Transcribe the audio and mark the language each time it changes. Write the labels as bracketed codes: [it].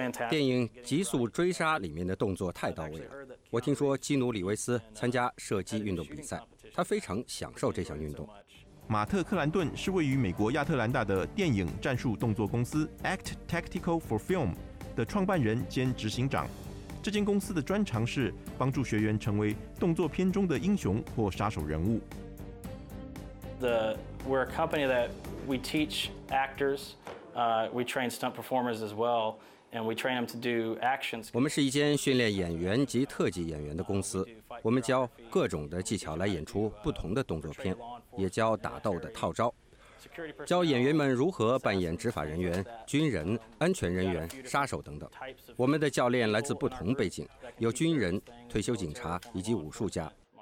[zh] 电影《极速追杀》里面的动作太到位了。我听说基努·里维斯参加射击运动比赛，他非常享受这项运动。马特·克兰顿是位于美国亚特兰大的电影战术动作公司 Act Tactical for Film 的创办人兼执行长。这间公司的专长是帮助学员成为动作片中的英雄或杀手人物。 [en] We're a company that we teach actors, we train stunt performers as well, and we train them to do actions. [zh] 我们是一间训练演员及特技演员的公司，我们教各种的技巧来演出不同的动作片，也教打斗的套招，教演员们如何扮演执法人员、军人、安全人员、杀手等等。我们的教练来自不同背景，有军人、退休警察以及武术家。